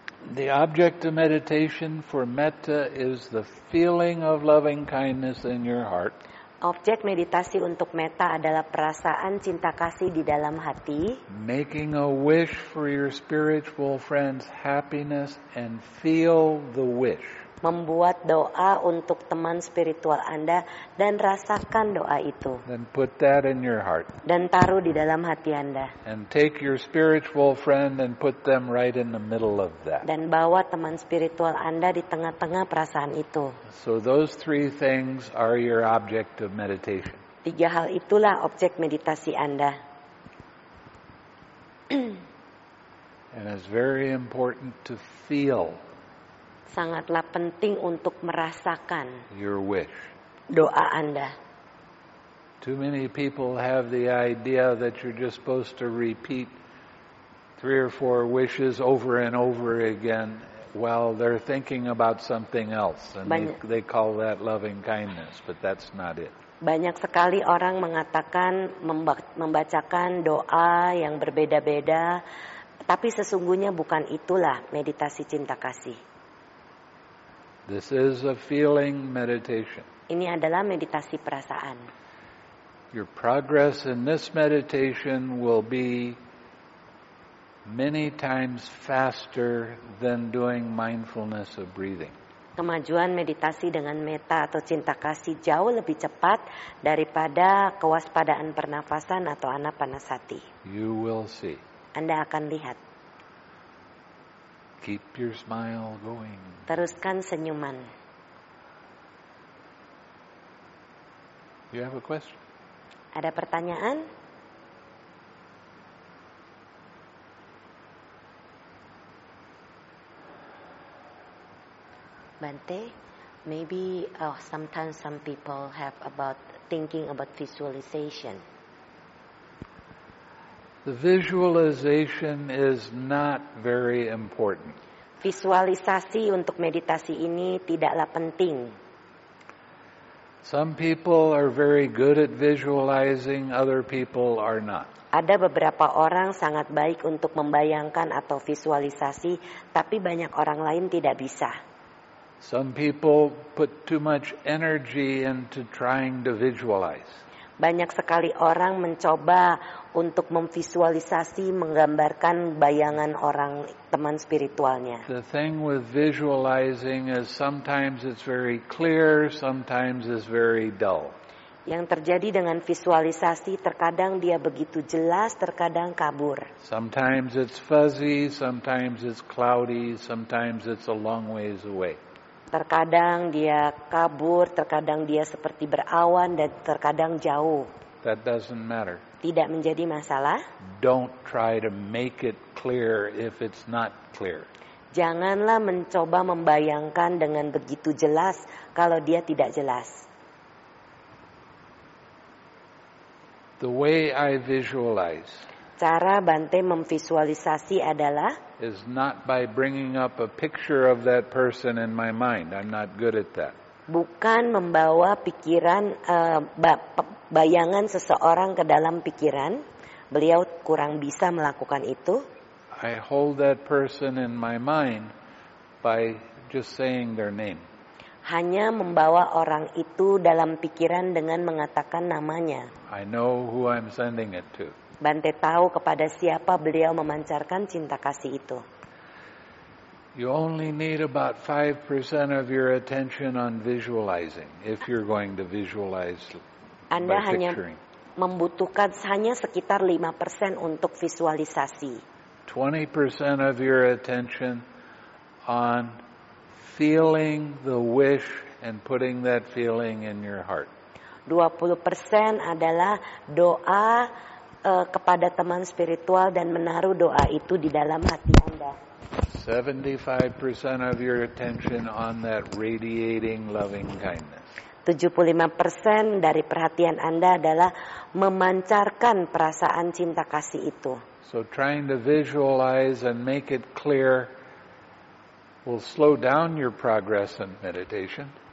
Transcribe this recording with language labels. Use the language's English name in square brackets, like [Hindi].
[English] The object of meditation for metta is the feeling of loving kindness in your heart. [Indonesian] Objek meditasi untuk metta adalah perasaan cinta kasih di dalam hati. [English] Making a wish for your spiritual friend's happiness and feel the wish. [Indonesian] Membuat doa untuk teman spiritual Anda dan rasakan doa itu. [English] Then put that in your heart. [Indonesian] Dan taruh di dalam hati Anda. [English] And take your spiritual friend and put them right in the middle of that. [Indonesian] Dan bawa teman spiritual Anda di tengah-tengah perasaan itu. [English] So those three things are your object of meditation. [Indonesian] Tiga hal itulah objek meditasi Anda. [English] And it's very important to feel. [Indonesian] Sangatlah penting untuk merasakan [English] your wish. [Indonesian] Doa Anda. [English] Too many people have the idea that you're just supposed to repeat 3 or 4 wishes over and over again while they're thinking about something else. And they call that loving kindness, but that's not it. [Indonesian] Banyak sekali orang mengatakan membacakan doa yang berbeda-beda, tapi sesungguhnya bukan itulah meditasi cinta kasih. [English] This is a feeling meditation. [Indonesian] Ini adalah meditasi perasaan. [English] Your progress in this meditation will be many times faster than doing mindfulness of breathing. [Indonesian] Kemajuan meditasi dengan metta atau cinta kasih jauh lebih cepat daripada kewaspadaan pernafasan atau anapanasati. [English] You will see. [Indonesian] Anda akan lihat. [English] Keep your smile going. [Indonesian] Teruskan senyuman. [English] You have a question? [Indonesian] Ada pertanyaan? [English] Bante, maybe sometimes some people have about thinking about visualization. The visualization is not very important. [Indonesian] Visualisasi untuk meditasi ini tidaklah penting. [English] Some people are very good at visualizing, other people are not. [Indonesian] Ada beberapa orang sangat baik untuk membayangkan atau visualisasi, tapi banyak orang lain tidak bisa. [English] Some people put too much energy into trying to visualize. [Indonesian] Banyak sekali orang mencoba untuk memvisualisasi, menggambarkan bayangan orang teman spiritualnya. [English] The thing with visualizing is sometimes it's very clear, sometimes it's very dull. [Indonesian] Yang terjadi dengan visualisasi, terkadang dia begitu jelas, terkadang kabur. [English] Sometimes it's fuzzy, sometimes it's cloudy, sometimes it's a long ways away. [Indonesian] Terkadang dia kabur, terkadang dia seperti berawan, dan terkadang jauh. [English] That doesn't matter. [Indonesian] Tidak menjadi masalah. [English] Don't try to make it clear if it's not clear. [Indonesian] Janganlah mencoba membayangkan dengan begitu jelas kalau dia tidak jelas. [English] The way I visualize. [Indonesian] Cara Bante memvisualisasi adalah [English] is not by bringing up a picture of that person in my mind. I'm not good at that. [Indonesian] Bukan membawa pikiran bayangan seseorang ke dalam pikiran. Beliau kurang bisa melakukan itu. [English] I hold that person in my mind by just saying their name. [Indonesian] Hanya membawa orang itu dalam pikiran dengan mengatakan namanya. [English] I know who I'm sending it to. [Indonesian] Bante tahu kepada siapa beliau memancarkan cinta kasih itu. [English] You only need about 5% of your attention on visualizing if you're going to visualize. [Indonesian] Anda hanya membutuhkan hanya sekitar 5% untuk visualisasi. [English] 20% of your attention on feeling the wish and putting that feeling in your heart. [Indonesian] 20% adalah doa kepada teman spiritual dan menaruh doa itu di dalam hati Anda. [English] 75% of your attention on that radiating loving kindness. [Indonesian] 75% dari perhatian Anda adalah memancarkan perasaan cinta kasih itu. [English] So trying to visualize and make it clear will slow down your progress in meditation.